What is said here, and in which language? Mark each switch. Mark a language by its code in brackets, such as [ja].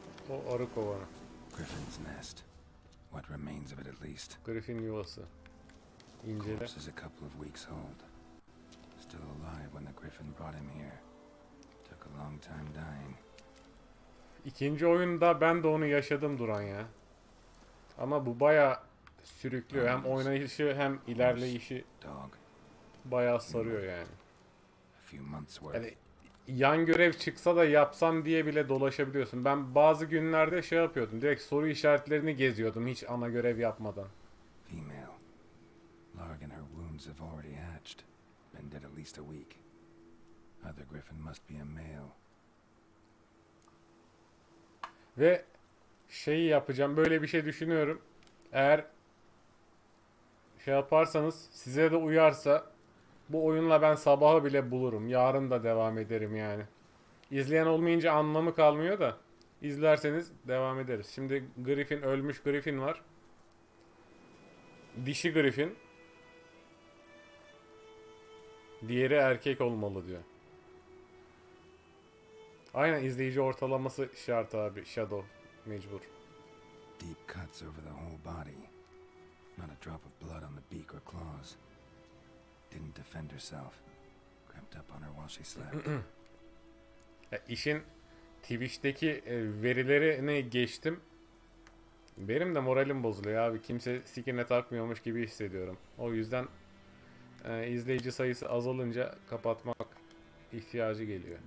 [tr] O arı kovanı. [en] Griffin's nest. What remains of it at least. [tr] Griffin yuvası. İncele. [en] This is a couple of weeks old. Still alive when the griffin brought him here. Took a long time dying. [tr] İkinci oyunda ben de onu yaşadım Duran ya. Ama bu bayağı sürüklüyor, hem oynayışı hem ilerleyişi bayağı sarıyor yani. [en] A few months worth. [tr] Yani yan görev çıksa da yapsam diye bile dolaşabiliyorsun. Ben bazı günlerde şey yapıyordum. Direkt soru işaretlerini geziyordum hiç ana görev yapmadan. [en] Female. Larg and her wounds have already hatched. Been dead at least a week. Other griffin must be a male. [tr] Ve şeyi yapacağım. Böyle bir şey düşünüyorum. Eğer şey yaparsanız, size de uyarsa bu oyunla ben sabahı bile bulurum. Yarın da devam ederim yani. İzleyen olmayınca anlamı kalmıyor da izlerseniz devam ederiz. Şimdi griffin, ölmüş griffin var. Dişi griffin. Diğeri erkek olmalı diyor. Aynen, izleyici ortalaması şart abi. Shadow mecbur. [en] Deep cuts over the whole body. Not a drop of blood on the beak or claws. Didn't defend herself. Crept up on her while she slept. [tr] Ya işin Twitch'teki verilerini geçtim. Benim de moralim bozuluyor abi. Kimse skin'e takmıyormuş gibi hissediyorum. O yüzden izleyici sayısı azalınca kapatmak ihtiyacı geliyor.